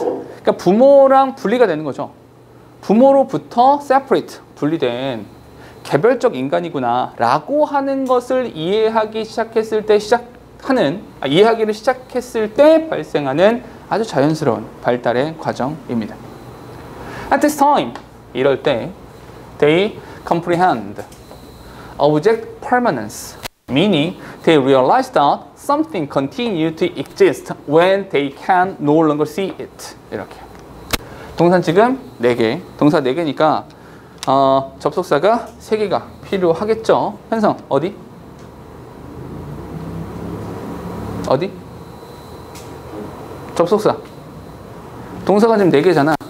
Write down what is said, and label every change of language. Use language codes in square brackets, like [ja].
[ko] 그러니까 부모랑 분리가 되는 거죠. 부모로부터 separate, 분리된 개별적 인간이구나 라고 하는 것을 이해하기 시작했을 때 이해하기를 시작했을 때 발생하는 아주 자연스러운 발달의 과정입니다. [en] At this time, [ko] 이럴 때 [en] they comprehend object permanence, meaning they realize that something continues to exist when they can no longer see it. [ko] 이렇게 동사 지금 4개, 동사 4개니까 접속사가 3개가 필요하겠죠. 현성 어디? 어디? 접속사 동사가 지금 4개잖아.